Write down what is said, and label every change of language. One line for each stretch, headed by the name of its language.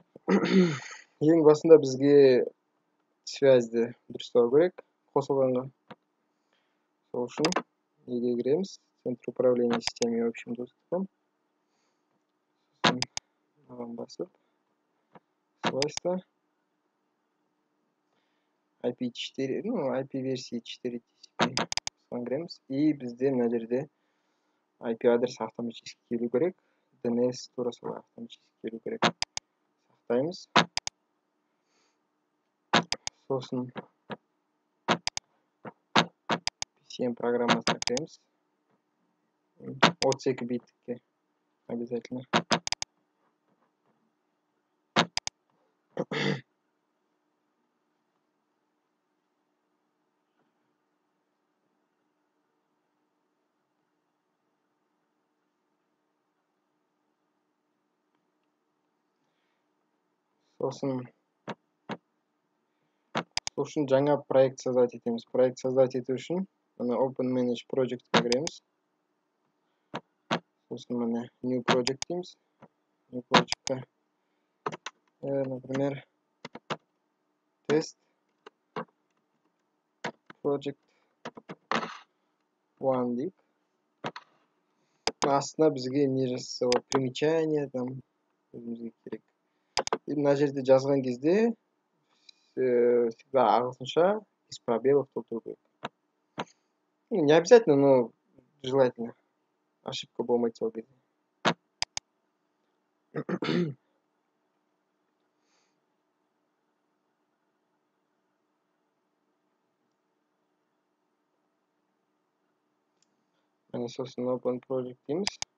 Kazakh: ең басында бізге связьді дұрыстау керек қосылғанға. Сол үшін неге кіреміз?
Russian: Центр управления системе, в общем, доступом.
Kazakh: Оған басып. Свойства. IP4, ну, IP-версия 4 TCP. И бізде мына жерде IP адрес автоматически келу керек. DNS тура солай автоматически келу керек. Сақтаймыз. Сосын PCM программасына кіреміз. 32 биттікке обязательно. Сосын сосын жаңа проект создать етеміз. Проект создать ету үшін мына open manage project кіреміз. Сосын мына new project дейміз. New project -ка. Например, тест project 1 дейік. Астына бізге не жасы ол примечание там өзімізге керек. И мына жерде жазған кезде
Russian: всегда
Kazakh: ағылшынша
Russian: из пробелов
Kazakh: толтыру керек.
Russian: Не обязательно, но желательно.
Kazakh: Ошибка болмайтын ол кезде. Мен сосын open project дейміз.